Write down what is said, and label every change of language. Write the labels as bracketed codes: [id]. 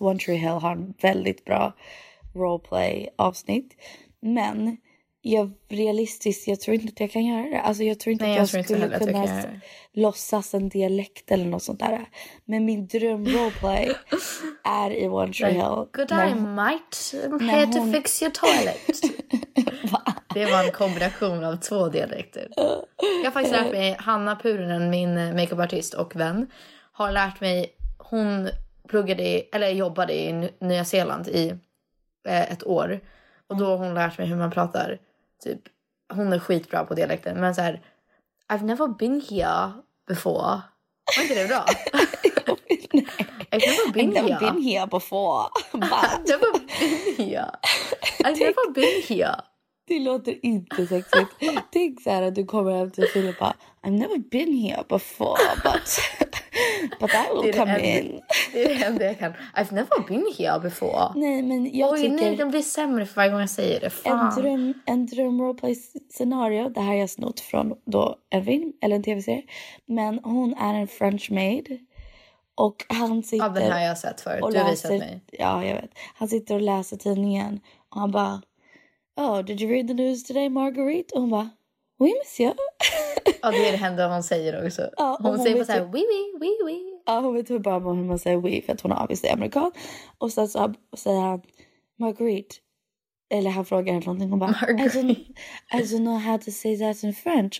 [sv] One Tree Hill har en väldigt bra roleplay-avsnitt. Men... jag realistiskt, jag tror inte att jag kan göra det. Alltså jag tror inte nej, att jag skulle inte kunna att jag låtsas en dialekt eller något sånt där. Men min dröm roleplay är i One Tree Hill. [en] Good eye, might pay to fix your toilet. [sv] Det var en kombination av två dialekter. Jag har faktiskt lärt mig, Hanna Purinen, min makeupartist och vän, har lärt mig, hon pluggade eller jobbade i Nya Zeeland i ett år. Och då har hon lärt mig hur man pratar. Typ, hon är skitbra på dialekten. [en] Men så här, I've never been here before. [sv] Var inte det bra? Nej. [en] I've never been here before. I've never been here. [sv] Det låter inte sexigt. Tänk så här att du kommer hem till Filippa. [en] I've never been here before, but I will come in. [sv] Det är det enda jag kan. [en] I've never been here before. [sv] Nej, men jag oj, tycker... oj, nej, den blir sämre för varje gång jag säger det. Fan. En dröm roleplay-scenario. Det här jag snott från då en film eller en tv-serie. Men hon är en French maid. Och han sitter... ja, den har jag sett förut. Du har visat läser, mig. Ja, jag vet. Han sitter och läser tidningen. Och han bara... [en] oh, did you read the news today, Marguerite? [sv] Och hon bara... [fr] oui, monsieur. [sv] Ja, det är det händer vad hon säger också. Ja, hon säger på såhär, [fr] oui, oui, oui, oui. [sv] Ja, hon vet hur bara hur man säger oui, för att hon är obviously amerikan. Och sen så säger han, Marguerite. Eller han frågar henne någonting. [en] Hon bara, I don't know how to say that in French.